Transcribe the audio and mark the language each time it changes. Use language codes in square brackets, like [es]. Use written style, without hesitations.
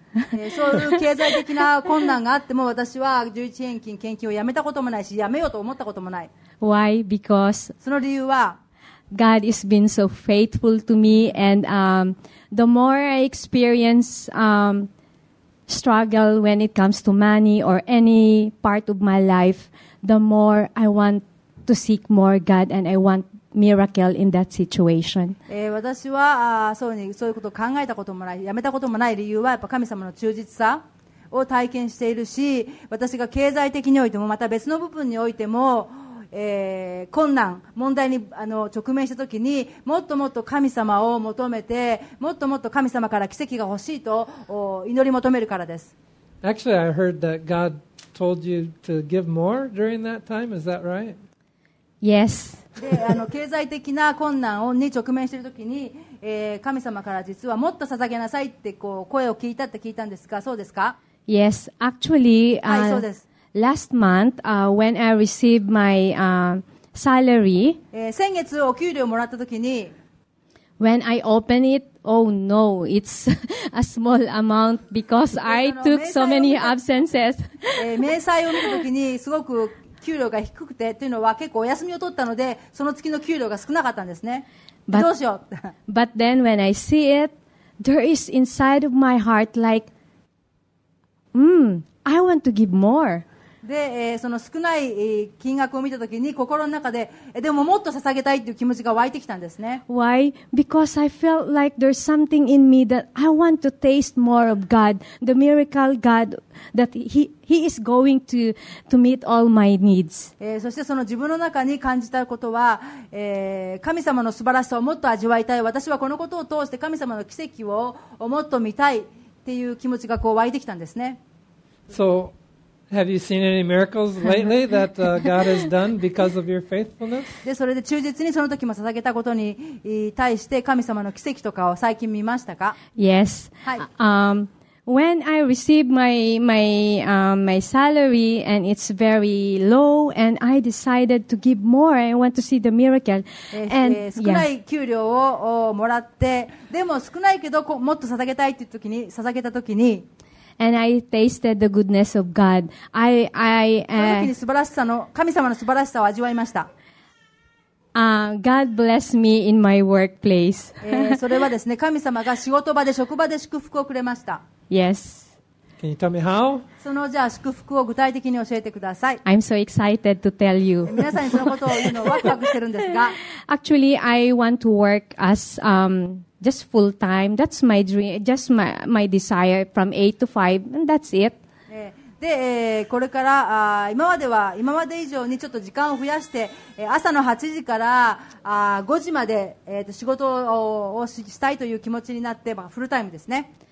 [ja] そういう経済的な困難があっても私は11円金献金をやめたこともないしやめようと思ったこともない。 [en] Why? Because [ja] その理由は [en] God has been so faithful to me and the more I experience struggle when it comes to money or any part of my life, the more I wantTo seek more God and I want miracle in that situation. [ja] 私はそういうことを考えたこともない、やめたこともない理由はやっぱ神様の忠実さを体験しているし、私が経済的においてもまた別の部分においても、困難、問題に直面したときにもっともっと神様を求めて、もっともっと神様から奇跡が欲しいと祈り求めるからです。 [en] Actually, I heard that God told you to give more during that time. Is that right? Yes. [ja] で、経済的な困難に直面しているときに、神様から実はもっと捧げなさいってこう声を聞いたって聞いたんですが、そうですか？ [en] Yes, actually,、 [ja] はい、そうです。 [en] Last month, when I received my salary, [ja] 先月お給料をもらったときに、 [en] When I open it, oh no, it's a small amount because I took so many absences. [ja] 明細を見たときにすごく給料が低くてというのは結構お休みを取ったのでその月の給料が少なかったんですね。 [en] But, [ja] どうしよう。 [en] But then when I see it, there is inside of my heart like, I want to give more. [ja] で、その少ない金額を見たときに心の中で、でももっと捧げたいという気持ちが湧いてきたんですね。 [en] Why? Because I felt like there's something in me that I want to taste more of God, the miracle God. That he is going to meet all my needs. [ja] そしてその自分の中に感じたことは、神様の素晴らしさをもっと味わいたい。私はこのことを通して神様の奇跡をもっと見たいっていう気持ちがこう湧いてきたんですね。 [en] So, have you seen any miracles lately that God has done because of your faithfulness? [ja] で、それで忠実にその時も捧げたことに対して神様の奇跡とかを最近見ましたか？ [en] Yes. [ja] はい。 [en] When I received my salary and it's very low and I decided to give more, I want to see the miracle. [ja] And, 少ない給料をもらって、でも少ないけどもっと捧げたいっていう時に、捧げた時に、 [en] And I tasted the goodness of God. [ja] その時に素晴らしさの、神様の素晴らしさを味わいました。 [en] God bless me in my workplace. [ja] それはですね、神様が仕事場で職場で祝福をくれました。 [en] Yes. Can you tell me how? [ja] そのじゃあ祝福を具体的に教えてください。 [en] I'm so excited to tell you. [ja] 皆さんにそのことを言うのをワクワクしてるんですが。 [en] Actually, I want to work as, just full time. That's my dream, just my desire from 8 to 5, and that's it. [ja] で、これから、今まで以上にちょっと時間を増やして、朝の8時から5時まで、仕事をしたいという気持ちになって、まあ、フルタイムですね。